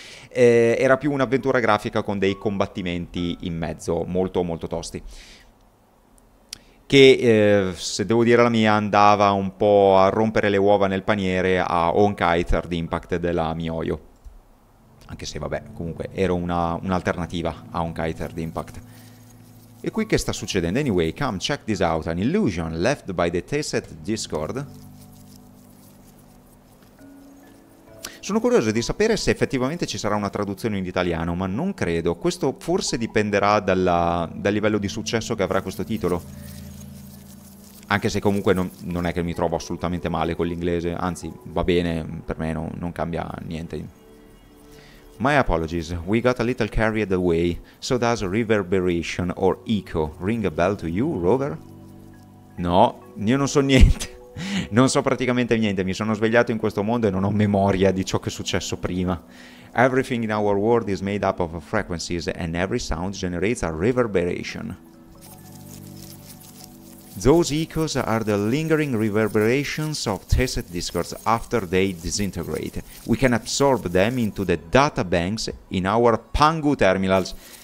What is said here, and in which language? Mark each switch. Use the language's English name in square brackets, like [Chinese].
[Italian] Era più un'avventura grafica con dei combattimenti in mezzo, molto molto tosti. Che, se devo dire la mia, andava un po' a rompere le uova nel paniere a Honkai Third Impact della MiHoYo. Anche se, vabbè, comunque era un'alternativa a Honkai Third Impact. E qui che sta succedendo? [English] Anyway, come check this out, an illusion left by the Tayset Discord. [Italian] Sono curioso di sapere se effettivamente ci sarà una traduzione in italiano, ma non credo. Questo forse dipenderà dal livello di successo che avrà questo titolo. Anche se comunque non è che mi trovo assolutamente male con l'inglese, anzi, va bene, per me non cambia niente. [English] My apologies, we got a little carried away, so does reverberation or echo ring a bell to you, Rover? [Italian] No, io non so niente, non so praticamente niente, mi sono svegliato in questo mondo e non ho memoria di ciò che è successo prima. [English] Everything in our world is made up of frequencies and every sound generates a reverberation. Those echoes are the lingering reverberations of Tayset Discords after they disintegrate. We can absorb them into the databanks in our Pangu terminals.